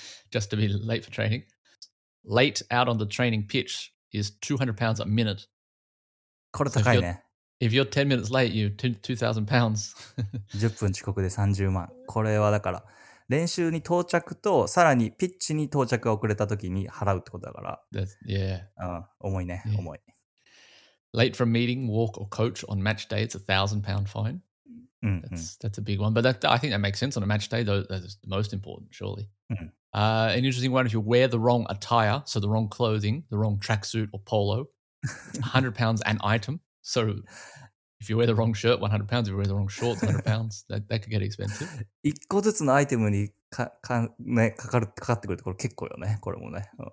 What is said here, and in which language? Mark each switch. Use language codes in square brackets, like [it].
[en] Just to be late for training. Late out on the training pitch is £200 a minute. [ja] これ高いね。 [en] If you're 10 minutes late, you're £2,000. [ja] 10分遅刻で30万。これはだから、練習に到着とさらにピッチに到着が遅れた時に払うってことだから。重いね、重い。 [en] Late from meeting, walk or coach on match day, it's £1,000 fine. That's a big one. But I think that makes sense on a match day, though. That's the most important, surely. An interesting one, if you wear the wrong attire, so the wrong clothing, the wrong tracksuit or polo, £100 an item. So if you wear the wrong shirt, £100. If you wear the wrong shorts, £100. That could get expensive. [ja] 一個ずつのアイテムにかね、かかる、かかってくるところ結構よね、これもね。